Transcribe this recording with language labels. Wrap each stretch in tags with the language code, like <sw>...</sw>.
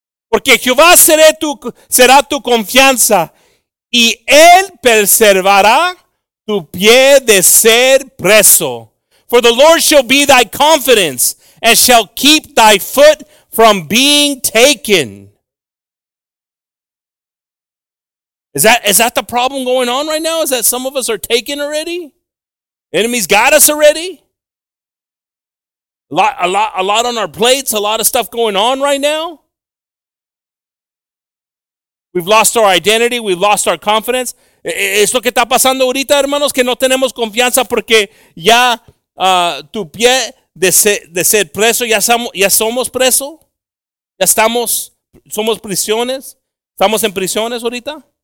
<es>Porque Jehová será tu confianza y él preservará tu pie de ser preso.</es> <en>For the Lord shall be thy confidence and shall keep thy foot from being taken. Is that the problem going on right now? Is that some of us are taken already? Enemies got us already? A lot on our plates, a lot of stuff going on right now. We've lost our identity, we've lost our confidence.</en> <es>Es lo que está pasando ahorita, hermanos, que no tenemos confianza porque ya tu pie de ser preso, ya somos preso. Ya somos prisiones. Estamos en prisiones ahorita.</es>